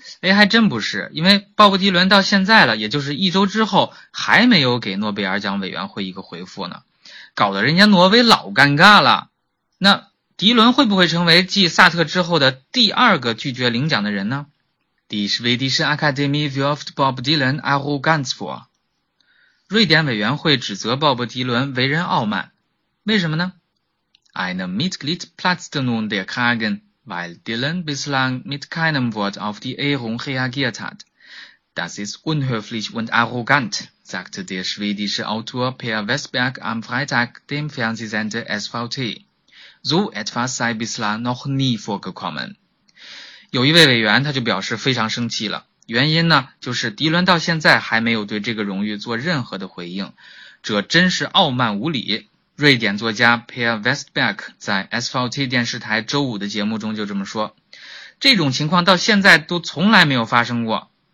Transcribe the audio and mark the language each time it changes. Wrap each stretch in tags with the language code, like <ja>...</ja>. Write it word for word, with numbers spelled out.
<zh>诶，还真不是，因为鲍勃迪伦到现在了，也就是一周之后，还没有给诺贝尔奖委员会一个回复呢，搞得人家挪威老尴尬了。那迪伦会不会成为继萨特之后的第二个拒绝领奖的人呢？</zh> <de>Die Schwedische Akademie wirft Bob Dylan Arroganz vor。</de> <zh>瑞典委员会指责鲍勃迪伦为人傲慢，为什么呢？</zh> <de>Einem Mitglied platzte nun der Kragen。 weil Dylan bislang mit keinem Wort auf die Ehrung reagiert hat. Das ist unhöflich und arrogant, sagte der schwedische Autor Per Westberg am Freitag dem Fernsehsender S V T. So etwas sei bislang noch nie vorgekommen.</de> <zh>有一位委员他就表示非常生气了，原因呢就是迪伦到现在还没有对这个荣誉做任何的回应，这真是傲慢无礼。瑞典作家 Per Westberg 在 S V T 电视台周五的节目中就这么说，这种情况到现在都从来没有发生过。</zh>